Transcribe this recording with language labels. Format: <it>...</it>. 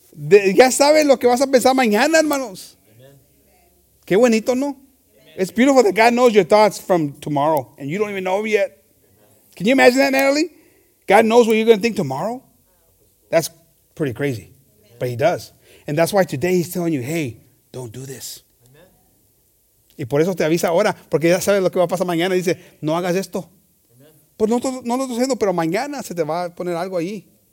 <es>Ya sabe lo que vas a pensar mañana, hermanos. Qué bonito, ¿no?</es> <en>It's beautiful that God knows your thoughts from tomorrow and you don't even know them yet. Amen. Can you imagine that, Natalie? God knows what you're going to think tomorrow. That's pretty crazy. Amen. But he does. And that's why today he's telling you, hey, don't do this.</en> <es>Y por eso te avisa ahora, porque ya sabes lo que va a pasar mañana. Dice, no hagas esto. Pues no lo estoy haciendo, pero mañana se te va a poner algo ahí.</es>